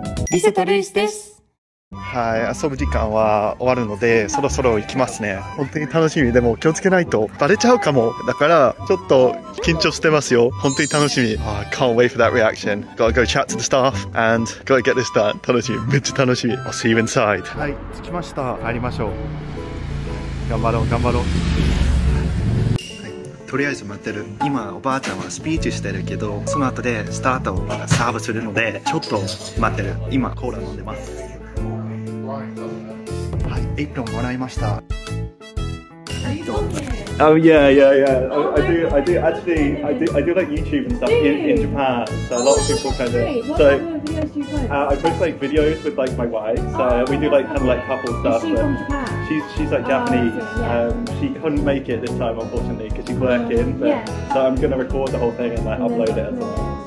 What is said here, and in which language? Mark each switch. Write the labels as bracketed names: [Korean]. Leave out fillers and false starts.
[Japanese] リセとルイスです。はい、遊ぶ時間は終わるのでそろそろ行きますね。本当に楽しみ。でも気をつけないとバレちゃうかも。だからちょっと緊張してますよ。本当に楽しみ。 [English] I can't wait for that reaction. Gotta go chat to the staff and gotta get this done. [Japanese] 楽しみ、めっちゃ楽しみ。 [English] I'll see you inside. [Japanese] はい、着きました。入りましょう。頑張ろう頑張ろう。とりあえず待ってる。今おばあちゃんはスピーチしてるけど、その後でスタートをまだサーブするので、ちょっと待ってる。今コーラ飲んでます。はい、エプロンもらいました。 [English] Oh yeah, yeah, yeah. I do actually. I do like YouTube and stuff in Japan. So a lot of people kind of. So I post like videos with like my wife. So we do like kind of like couple stuff. But she's like Japanese. She couldn't make it this time, unfortunately, because she's working. But, so I'm gonna record the whole thing and like upload it as well.